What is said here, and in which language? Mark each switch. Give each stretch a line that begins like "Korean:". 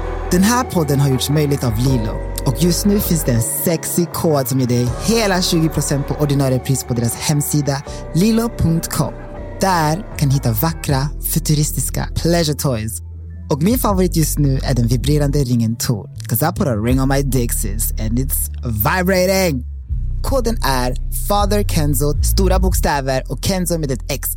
Swedish: Den här podden har gjorts möjligt av Lilo. Och just nu finns det en sexy kod som ger dig hela 20% på ordinarie pris på deras hemsida lilo.com. Där kan du hitta vackra, futuristiska
English: pleasure toys.
Swedish: Och min favorit just nu är den vibrerande ringen Tor.
English: 'Cause I put a ring on my dixies and it's vibrating.
Swedish: Koden är Father Kenzo, stora bokstäver och Kenzo med ett X.